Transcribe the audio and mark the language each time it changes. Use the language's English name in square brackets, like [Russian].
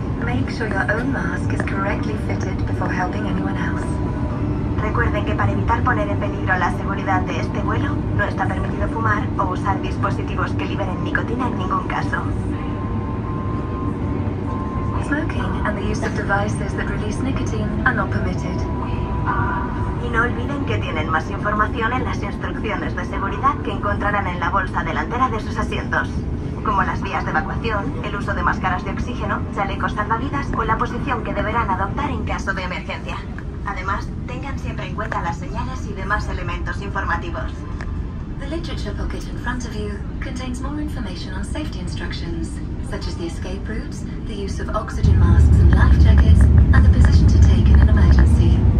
[English] Make sure your own mask is correctly fitted before helping anyone else. [Spanish] Recuerden que para evitar poner en peligro la seguridad de este vuelo, no está permitido fumar o usar dispositivos que liberen nicotina en ningún caso. [English] Smoking and the use of devices that release nicotine are not permitted. [Spanish] Y no olviden que tienen más información en las instrucciones de seguridad que encontrarán en la bolsa delantera de sus asientos, como las vías de evacuación, el uso de máscaras de oxígeno, chalecos salvavidas o la posición que deberán adoptar en caso de emergencia. Además, tengan siempre en cuenta las señales y demás elementos informativos. [English] The literature pocket in front of you contains more information on safety instructions, such as the escape routes, the use of oxygen masks and life jackets, and the position to take in an emergency.